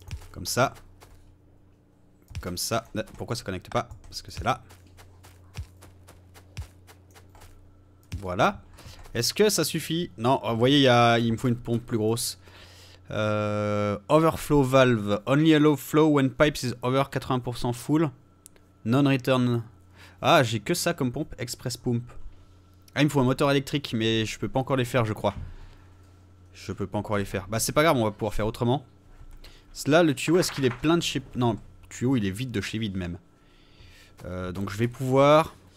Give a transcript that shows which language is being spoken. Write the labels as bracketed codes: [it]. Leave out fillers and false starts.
[fr] Comme ça. Comme ça. Pourquoi ça connecte pas? Parce que c'est là. Voilà. Est-ce que ça suffit? Non, vous voyez, il me faut une pompe plus grosse. [en] Overflow valve. Only allow flow when pipes is over 80% full. Non return. [fr] Ah, j'ai que ça comme pompe. Express pump. Ah, il me faut un moteur électrique, mais je peux pas encore les faire, je crois. Je peux pas encore les faire. Bah, c'est pas grave, on va pouvoir faire autrement. Là, le tuyau, est-ce qu'il est plein de chez... Non, le tuyau, il est vide de chez vide, même. Donc, je vais pouvoir...